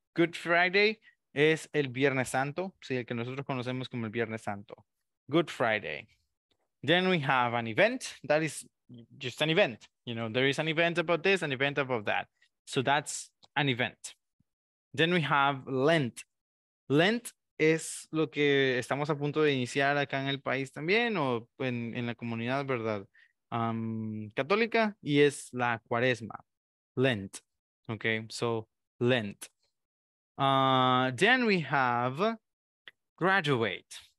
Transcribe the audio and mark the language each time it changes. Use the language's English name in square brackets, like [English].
[Spanish] Good Friday es el Viernes Santo, sí, el que nosotros conocemos como el Viernes Santo. [English] Good Friday. Then we have an event. That is just an event. You know, there is an event about this, an event about that. So that's an event. Then we have Lent. [Spanish] Lent es lo que estamos a punto de iniciar acá en el país también, o en la comunidad, ¿verdad? Católica, y es la cuaresma. Lent. [English] Okay, so Lent. Then we have graduate.